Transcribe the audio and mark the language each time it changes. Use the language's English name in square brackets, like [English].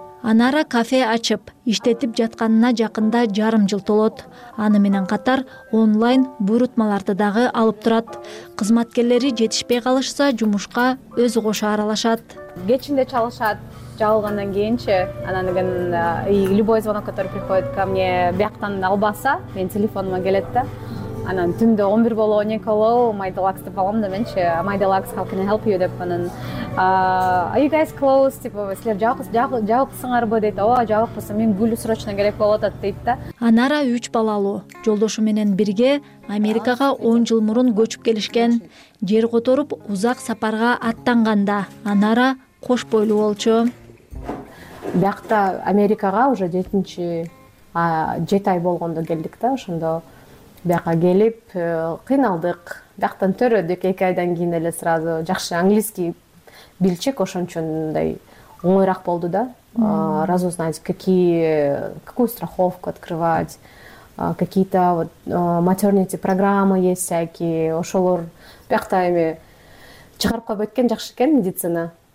[Kyrgyz] Анара кафе ачып, иштетип жатканына жакында жарым жыл толот. Аны менен катар онлайн буйрутмаларды дагы алып турат. Кызматкерлери жетишпей калышса, жумушка өзү кошо аралашат. Кечинде чалышат, жабылгандан кийинчи. Анан деген [Russian] любой звонок, который приходит ко мне, [Kyrgyz] бияктан албаса, менин телефонума келет да. Анан түндө 11 болобу, 12 болобу, My Deluxe деп алам да менчи. [English] My Deluxe, how can I help you [Kyrgyz] деп анан [English] Are you guys close? [Kyrgyz] Типа, силер жабыксыңарбы дейт. Оо, жабыкпыз. Мен гүлү срочно керек болот атат дейт да. Анара 3 балалуу. Жолдошу менен бирге Америкага 10 жыл мурун көчүп келишкен. Жер которуп узак сапарга аттанганда Анара кош бойлуу болчу. Бакта Америкага уже 7-чи 7 ай болгондо келдик да, ошондо бияка келип кыйналдык. Бактан төрөдүк 2 айдан кийин эле сразу жакшы английский билчек, ошончондой оңойраак болду да. [Russian] Разу знать, какую страховку открывать, какие-то вот maternity программы есть всякие, [Kyrgyz] ошолор бакта эми чыгарып коюп кеткен жакшы экен [Russian] медицина.